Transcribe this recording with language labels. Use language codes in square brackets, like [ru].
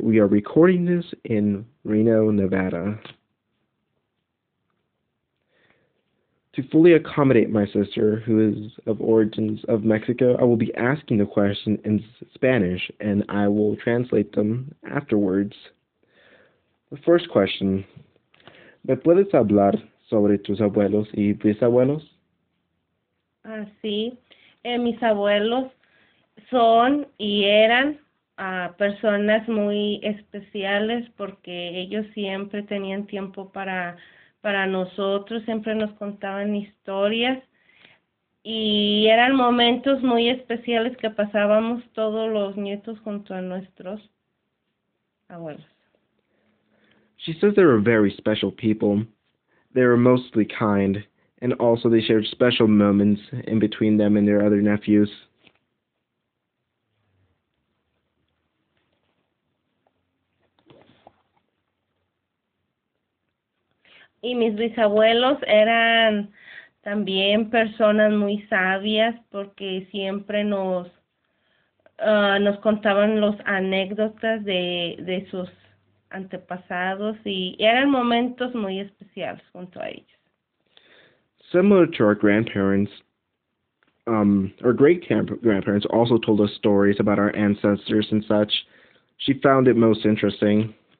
[en] We are recording this in Reno, Nevada. To fully accommodate my sister, who is of origins of Mexico, I will be asking the question in Spanish, and I will translate them afterwards. The first question: [es] ¿Me puedes hablar sobre tus abuelos y bisabuelos? Ah, sí, mis abuelos son y eran personas muy especiales porque ellos siempre tenían tiempo para nosotros, siempre nos contaban historias y eran momentos muy especiales que pasábamos todos los nietos junto a nuestros abuelos. [en] She says they were very special people. They were mostly kind, and also they shared special moments in between them and their other nephews. [es] Y mis bisabuelos eran también personas muy sabias porque siempre nos contaban las anécdotas de sus antepasados y eran momentos muy especiales junto a ellos. [en] Similar to our grandparents, our great-grandparents also told us stories about our ancestors and such. She found it most interesting.